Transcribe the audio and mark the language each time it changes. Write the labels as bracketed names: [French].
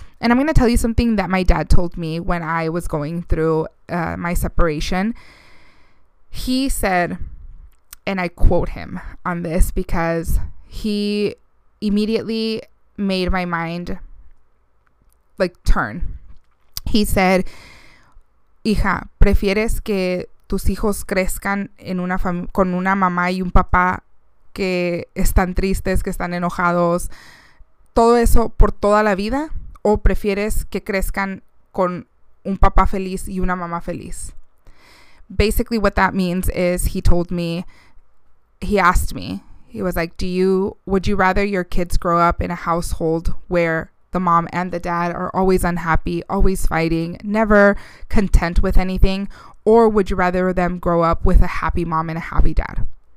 [English] And I'm going to tell you something that my dad told me when I was going through my separation. He said, and I quote him on this, because he immediately made my mind like turn. [Spanish] He said, hija, ¿prefieres que tus hijos crezcan en una con una mamá y un papá que están tristes, que están enojados, todo eso por toda la vida? ¿O prefieres que crezcan con un papá feliz y una mamá feliz? [English] Basically, what that means is he asked me, he was like, would you rather your kids grow up in a household where the mom and the dad are always unhappy, always fighting, never content with anything? Or would you rather them grow up with a happy mom and a happy dad?